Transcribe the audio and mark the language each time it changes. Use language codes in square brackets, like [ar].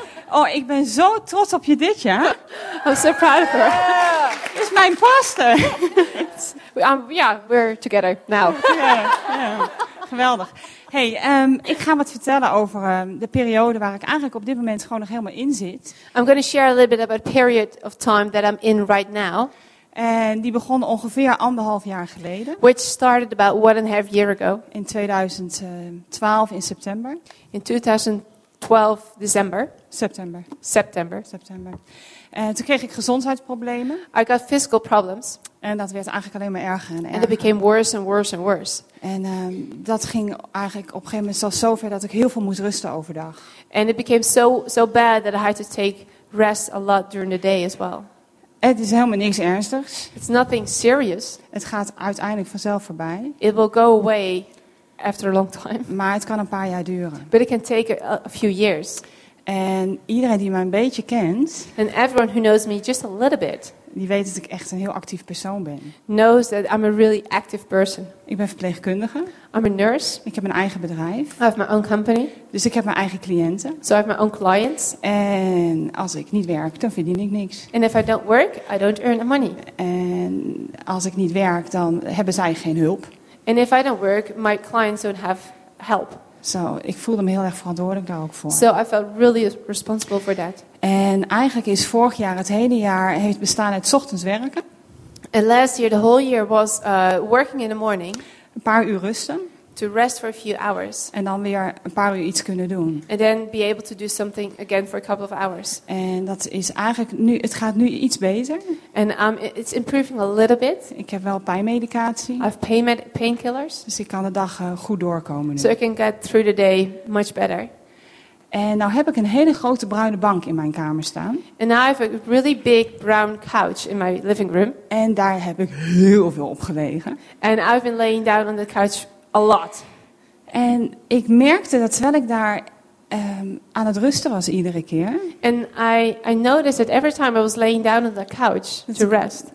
[nl] Oh, ik ben zo trots op je dit jaar. [en] I'm so proud of her. [nl] Dit is mijn pastor. [en] Yeah, we're together now. [nl] Geweldig. Hey, ik ga wat vertellen over de periode waar ik eigenlijk op dit moment gewoon nog helemaal in zit. [en] I'm going to share a little bit about the period of time that I'm in right now. [nl] En die begon ongeveer anderhalf jaar geleden. [en] Which started about 1.5 year ago. [nl] In 2012 in september. [en] In 2012 december. September. September. September. [nl] En toen kreeg ik gezondheidsproblemen. [en] I got physical problems. [nl] En dat werd eigenlijk alleen maar erger en erger. [en] And it became worse and worse and worse. [nl] En dat ging eigenlijk op een gegeven moment zelfs zover dat ik heel veel moest rusten overdag. [en] And it became so bad that I had to take rest a lot during the day as well. [nl] Het is helemaal niks ernstigs. [en] It's nothing serious. [nl] Het gaat uiteindelijk vanzelf voorbij. [en] It will go away after a long time. [nl] Maar het kan een paar jaar duren. [en] But it can take a few years. [nl] En iedereen die mij een beetje kent, [en] and everyone who knows me just a little bit, [nl] die weet dat ik echt een heel actief persoon ben. [en] Knows that I'm a really active person. [nl] Ik ben verpleegkundige. [en] I'm a nurse. [nl] Ik heb een eigen bedrijf. [en] I have my own company. [nl] Dus ik heb mijn eigen cliënten. [en] So I have my own clients. [nl] En als ik niet werk, dan verdien ik niks. [en] And if I don't work, I don't earn money. [nl] En als ik niet werk, dan hebben zij geen hulp. [en] And if I don't work, my clients don't have help. [nl] Zo, ik voelde me heel erg verantwoordelijk daar ook voor. [en] So I felt really responsible for that. [nl] En eigenlijk is vorig jaar het hele jaar heeft bestaan uit 's ochtends werken. [en] And last year the whole year was working in the morning. [nl] Een paar uur rusten. [en] To rest for a few hours. [nl] En dan weer een paar uur iets kunnen doen. [en] And then be able to do something again for a couple of hours. [nl] En dat is eigenlijk nu, het gaat nu iets beter. [en] And it's improving a little bit. [nl] Ik heb wel pijnmedicatie. [en] I have painkillers. [nl] Dus ik kan de dag goed doorkomen nu. [en] So I can get through the day much better. [nl] En nou heb ik een hele grote bruine bank in mijn kamer staan. [en] And now I have a really big brown couch in my living room. [nl] En daar heb ik heel veel op gelegen. [en] And I've been laying down on the couch a lot. [nl] En ik merkte dat terwijl ik daar aan het rusten was iedere keer. [en] And I noticed that every time I was laying down on the couch to rest.